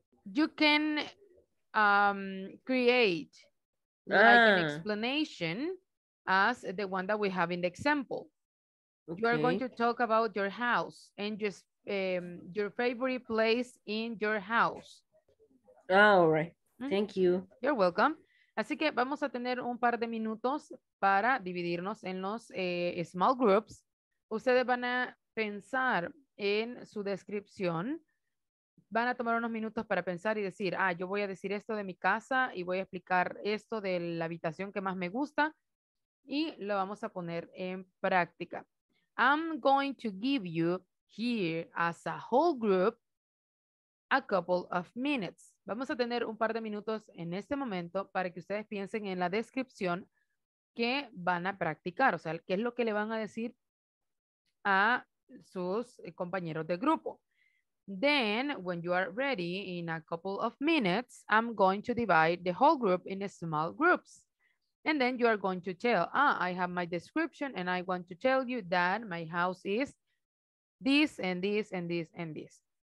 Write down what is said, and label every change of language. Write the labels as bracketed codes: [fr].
[en] You can create like an explanation as the one that we have in the example. Okay. You are going to talk about your house and just your favorite place in your house. All right. Mm-hmm. Thank you. You're welcome. [es] Así que vamos a tener un par de minutos para dividirnos en los [en] small groups. [es] Ustedes van a pensar en su descripción. Van a tomar unos minutos para pensar y decir, ah, yo voy a decir esto de mi casa y voy a explicar esto de la habitación que más me gusta, y lo vamos a poner en práctica. [en] I'm going to give you here as a whole group a couple of minutes. [es] Vamos a tener un par de minutos en este momento para que ustedes piensen en la descripción que van a practicar, o sea, qué es lo que le van a decir a sus compañeros de grupo. [en] Then, when you are ready, in a couple of minutes, I'm going to divide the whole group in small groups. And then you are going to tell, I have my description, and I want to tell you that my house is this and this and this and this.